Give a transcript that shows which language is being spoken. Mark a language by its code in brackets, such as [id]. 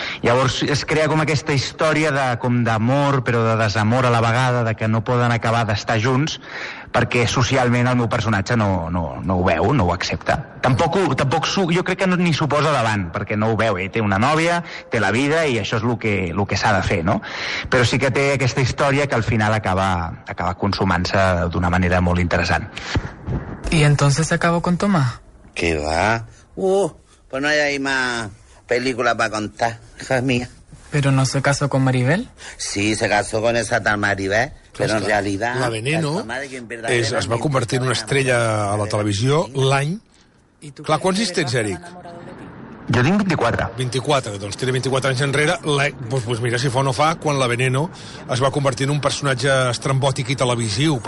[ca] Llavors es crea com aquesta història de, com d'amor, però de desamor a la vegada, de que no poden acabar d'estar junts perquè socialment el meu personatge no ho veu, no ho accepta. Tampoc jo crec que ni s'ho posa davant, perquè no ho veu. Ell té una nòvia, té la vida, i això és el que s'ha de fer, no? Però sí que té aquesta història que al final acaba consumant-se d'una manera molt interessant. [es] ¿Y entonces acabo con Tomás? ¿Qué va? Pues no hay ahí más película para contar, hija mía. ¿Pero no se casó con Maribel? Sí, se casó con esa tal Maribel. [ca] Però en realitat... La Veneno es va convertir en una estrella a la televisió l'any... Clar, quants anys tens, Eric? Jo tinc 24. 24, doncs tira 24 anys enrere. Pues mira si fa o no fa, quan la Veneno es va convertir en un personatge estrambòtic i televisiu.